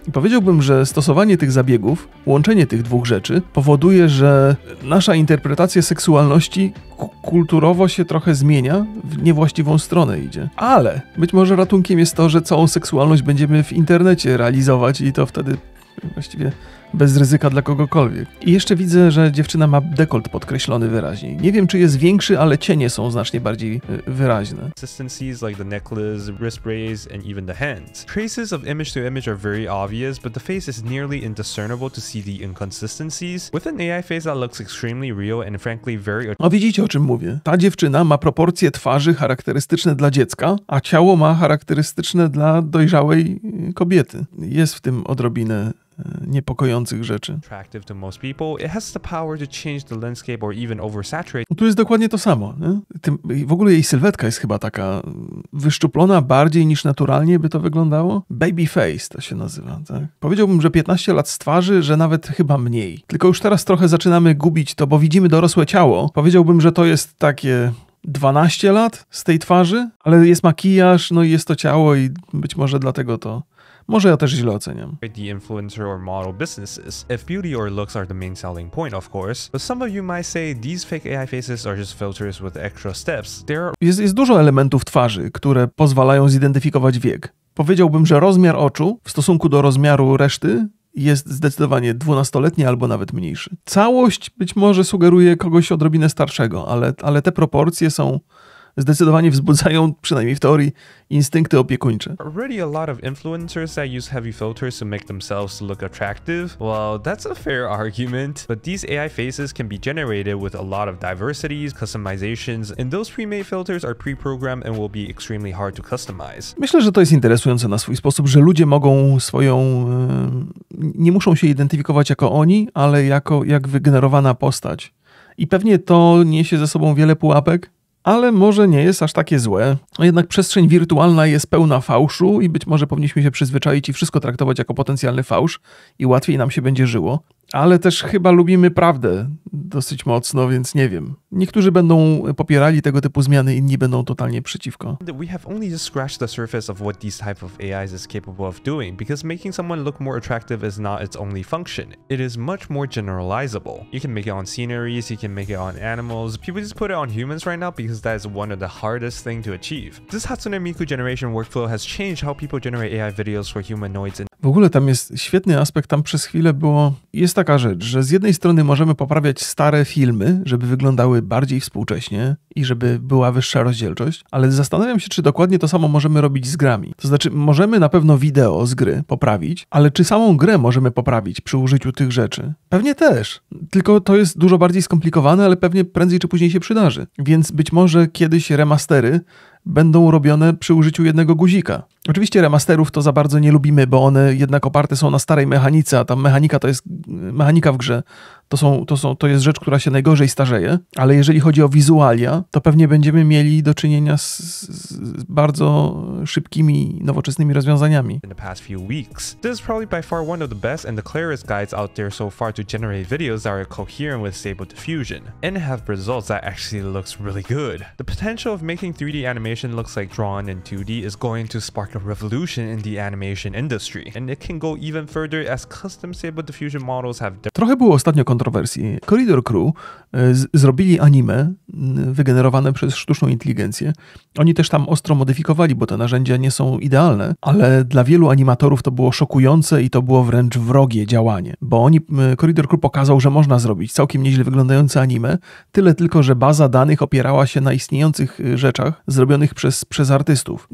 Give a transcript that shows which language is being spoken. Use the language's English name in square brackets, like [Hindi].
[Polish] I powiedziałbym, że stosowanie tych zabiegów, łączenie tych dwóch rzeczy, powoduje, że nasza interpretacja seksualności kulturowo się trochę zmienia, w niewłaściwą stronę idzie. Ale być może ratunkiem jest to, że całą seksualność będziemy w internecie realizować i to wtedy właściwie bez ryzyka dla kogokolwiek. I jeszcze widzę, że dziewczyna ma dekolt podkreślony wyraźniej. Nie wiem, czy jest większy, ale cienie są znacznie bardziej wyraźne. [English] Consistencies like the necklace, wrist braids, and even the hands. Traces of image to image are very obvious, but the face is nearly indiscernible to see the inconsistencies. With an AI face that looks extremely real and frankly very... [Polish] No widzicie, o czym mówię. Ta dziewczyna ma proporcje twarzy charakterystyczne dla dziecka, a ciało ma charakterystyczne dla dojrzałej kobiety. Jest w tym odrobinę niepokojących rzeczy. [English] Attractive to most people, it has the power to change the landscape or even oversaturate. [Polish] Tu jest dokładnie to samo. Tym, w ogóle jej sylwetka jest chyba taka wyszczuplona bardziej niż naturalnie by to wyglądało. Baby face to się nazywa, tak? Powiedziałbym, że 15 lat z twarzy, że nawet chyba mniej. Tylko już teraz trochę zaczynamy gubić to, bo widzimy dorosłe ciało. Powiedziałbym, że to jest takie 12 lat z tej twarzy, ale jest makijaż, no i jest to ciało i być może dlatego to... Może ja też źle oceniam. [English] The influencer or model businesses. If beauty or looks are the main selling point, of course. But some of you might say these fake AI faces are just filters with extra steps. There are... [Polish] Jest dużo elementów twarzy, które pozwalają zidentyfikować wiek. Powiedziałbym, że rozmiar oczu w stosunku do rozmiaru reszty jest zdecydowanie 12-letni albo nawet mniejszy. Całość być może sugeruje kogoś odrobinę starszego, ale te proporcje są... zdecydowanie wzbudzają, przynajmniej w teorii, instynkty opiekuńcze. [English] Already a lot of influencers that use heavy filters to make themselves look attractive. Well, that's a fair argument. But these AI faces can be generated with a lot of diversities, customizations, and those pre-made filters are pre-programmed and will be extremely hard to customize. [Polish] Myślę, że to jest interesujące na swój sposób, że ludzie mogą swoją... nie muszą się identyfikować jako oni, ale jak wygenerowana postać. I pewnie to niesie ze sobą wiele pułapek, ale może nie jest aż takie złe. Jednak przestrzeń wirtualna jest pełna fałszu i być może powinniśmy się przyzwyczaić i wszystko traktować jako potencjalny fałsz i łatwiej nam się będzie żyło. Ale też chyba lubimy prawdę dosyć mocno, więc nie wiem. Niektórzy będą popierali tego typu zmiany, inni będą totalnie przeciwko. [English] We have only just scratched the surface of what these type of AIs is capable of doing, because making someone look more attractive is not its only function. It is much more generalizable. You can make it on sceneries, you can make it on animals. People just put it on humans right now because that is one of the hardest thing to achieve. This Hatsune Miku generation workflow has changed how people generate AI videos for humanoids. [Polish] W ogóle tam jest świetny aspekt, tam przez chwilę było, jest taka rzecz, że z jednej strony możemy poprawiać stare filmy, żeby wyglądały bardziej współcześnie i żeby była wyższa rozdzielczość, ale zastanawiam się, czy dokładnie to samo możemy robić z grami. To znaczy, możemy na pewno wideo z gry poprawić, ale czy samą grę możemy poprawić przy użyciu tych rzeczy? Pewnie też, tylko to jest dużo bardziej skomplikowane, ale pewnie prędzej czy później się przydarzy. Więc być może kiedyś remastery będą robione przy użyciu jednego guzika. Oczywiście remasterów to za bardzo nie lubimy, bo one jednak oparte są na starej mechanice, a tam mechanika to jest mechanika w grze. To jest rzecz, która się najgorzej starzeje, ale jeżeli chodzi o wizualia, to pewnie będziemy mieli do czynienia z bardzo szybkimi, nowoczesnymi rozwiązaniami. [English] In the past few weeks, this is probably by far one of the best and the clearest guides out there so far to generate videos that are coherent with Stable Diffusion and have results that actually looks really good. The potential of making 3D animation looks like drawn in 2D is going to spark a revolution in the animation industry, and it can go even further as custom Stable Diffusion models have. [Polish] Trochę było ostatnio kontrowersji. Corridor Crew zrobili anime wygenerowane przez sztuczną inteligencję. Oni też tam ostro modyfikowali, bo te narzędzia nie są idealne, ale dla wielu animatorów to było szokujące i to było wręcz wrogie działanie, bo oni Corridor Crew pokazał, że można zrobić całkiem nieźle wyglądające anime, tyle tylko, że baza danych opierała się na istniejących rzeczach zrobionych przez artystów.